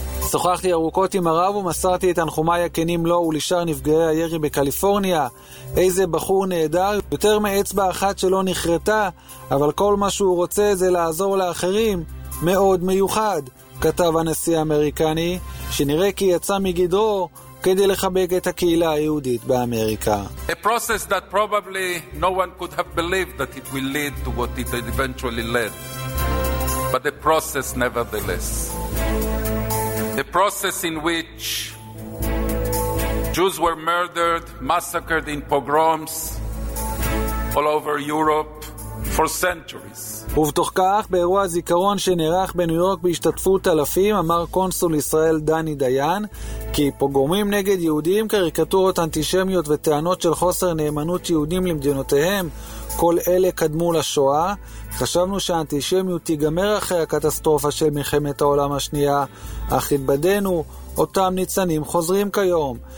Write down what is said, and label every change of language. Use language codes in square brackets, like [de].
[he] שוחחתי ארוכות עם הרב ומסרתי את תנחומיי הכנים לו ולשאר נפגעי הירי בקליפורניה. איזה בחור נהדר, יותר מאצבע אחת שלא נחרטה, אבל כל מה שהוא רוצה זה לעזור לאחרים, מאוד מיוחד, כתב הנשיא האמריקני, שנראה כי יצא מגדרו כדי לחבק את הקהילה היהודית באמריקה. [en] A process that probably no one could have believed that it will lead to what it eventually led. But the process nevertheless. The process in which Jews were murdered, massacred in pogroms all over Europe for centuries. [he] ובתוך כך, באירוע הזיכרון שנערך בניו יורק בהשתתפות אלפים, אמר קונסול ישראל דני דיין, כי פוגרומים נגד יהודים, קריקטורות אנטישמיות וטענות של חוסר נאמנות יהודים למדינותיהם, כל אלה קדמו לשואה. חשבנו שהאנטישמיות תיגמר אחרי הקטסטרופה של מלחמת העולם השנייה, אך התבדנו, אותם ניצנים חוזרים כיום.